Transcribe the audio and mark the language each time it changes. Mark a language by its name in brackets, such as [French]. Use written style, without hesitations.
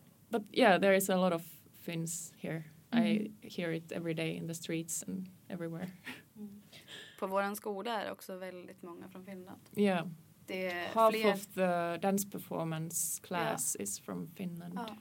[English] But yeah, there is a lot of Finns here. Mm-hmm. I hear it every day in the streets and everywhere. Mm. [Swedish] På våran skola är också väldigt många från Finland. Ja. [English] Yeah. Half of the dance performance class is from Finland.